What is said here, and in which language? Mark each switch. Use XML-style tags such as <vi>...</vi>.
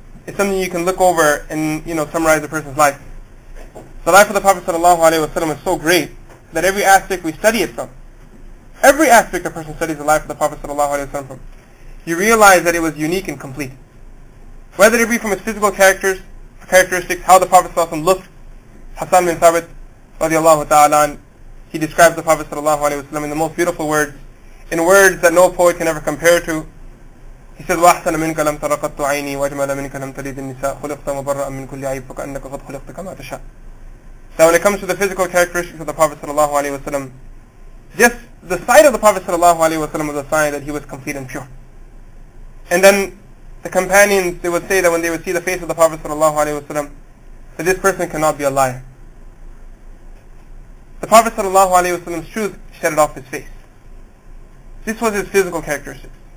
<en>It's something you can look over and, you know, summarize the person's life. The life of the Prophet sallallahu alaihi wasallam is so great that every aspect we study it from, every aspect a person studies the life of the Prophet sallallahu alaihi wasallam from, you realize that it was unique and complete. Whether it be from his physical characteristics, how the Prophet sallallahu alaihi wasallam looked, Hassan bin Thabit radiallahu ta'ala, he describes the Prophet sallallahu alaihi wasallam in the most beautiful words, in words that no poet can ever compare to.</en> <ar>He says, وَأَحْسَنَ مِنْكَ لَمْ تَرَقَتْتُ عَيْنِي وَأَجْمَلَ مِنْكَ لَمْ تَلِدِ النِّسَاءَ خُلِقْتَ مُبَرَّأً مِنْ كُلِّ عَيْبٍ فَكَأَنَّكَ قَدْ خُلِقْتَ كَمَا تَشَاءُ. Now when it comes to the physical characteristics of the Prophet sallallahu alaihi wasallam, just</ar> <en>the sight of the Prophet sallallahu alaihi wasallam was a sign that he was complete and pure. And then the companions, they would say that when they would see the face of the Prophet sallallahu alaihi wasallam, that this person cannot be a liar. The Prophet sallallahu alaihi wasallam's truth shedded off his face. This was his physical characteristics.</en>